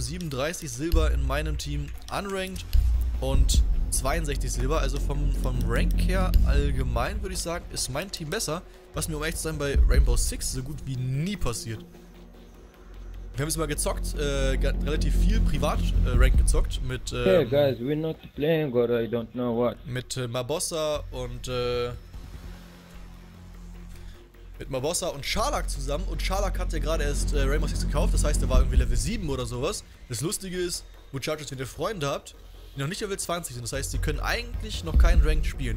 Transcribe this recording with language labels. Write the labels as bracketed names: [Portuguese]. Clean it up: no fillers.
[German] 37 Silber in meinem Team unranked. Und 62 Silber, also vom Rank her allgemein würde ich sagen, ist mein Team besser. Was mir um ehrlich zu sein bei Rainbow Six so gut wie nie passiert. Wir haben es mal gezockt, relativ viel privat Rank gezockt mit [English] hey guys, we're not playing or I don't know what. [German] Mit Mabossa und mit Mabossa und Scharlach zusammen. Und Scharlach hat ja gerade erst Rainbow Six gekauft, das heißt, er war irgendwie Level 7 oder sowas. Das Lustige ist, Muchachos, wenn ihr Freunde habt, die noch nicht Level 20 sind, das heißt, sie können eigentlich noch keinen Ranked spielen.